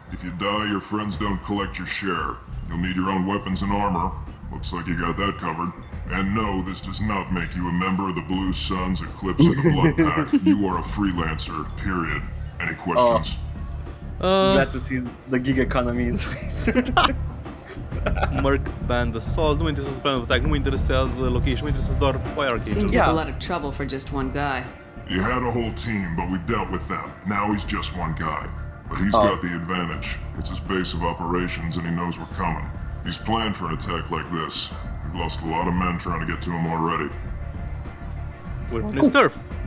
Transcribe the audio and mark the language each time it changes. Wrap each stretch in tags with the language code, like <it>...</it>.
<en>If you die, your friends don't collect your share. You'll need your own weapons and armor. Looks like you got that covered. And no, this does not make you a member of the Blue Suns, Eclipse, and the Blood Pack. You are a freelancer, period. Any questions? Glad to see the gig economy in space.</en> <ro>Merc Band Assault, nu mă interesează Plan of Attack, nu mă interesează location, mă interesează doar Fire Archangel.</ro> <en>Seems like a lot of trouble for just one guy. You had a whole team, but we've dealt with them. Now he's just one guy. But he's got the advantage. It's his base of operations and he knows we're coming. He's planned for an attack like this. We've lost a lot of men trying to get to him already. We're in his turf.</en>